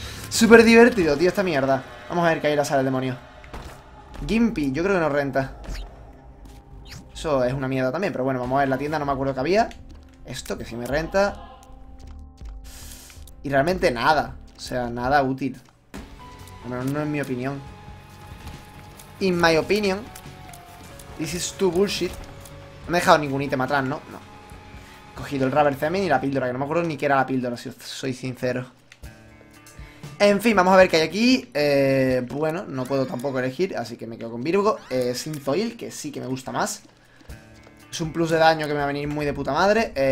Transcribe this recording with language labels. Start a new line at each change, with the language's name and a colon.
Spanish: Súper divertido, tío, esta mierda. Vamos a ver qué hay en la sala del demonio. Gimpy, yo creo que nos renta. Eso es una mierda también, pero bueno, vamos a ver la tienda, no me acuerdo que había. Esto, que sí me renta. Y realmente nada. O sea, nada útil. Al menos no es mi opinión.
English: In my opinion, this is too bullshit.
Spanish: No me he dejado ningún ítem atrás, ¿no? No. He cogido el rubber cement y la píldora, que no me acuerdo ni qué era la píldora, si soy sincero. En fin, vamos a ver qué hay aquí. Bueno, no puedo tampoco elegir, así que me quedo con Virgo. Synthoil, que sí que me gusta más. Es un plus de daño que me va a venir muy de puta madre.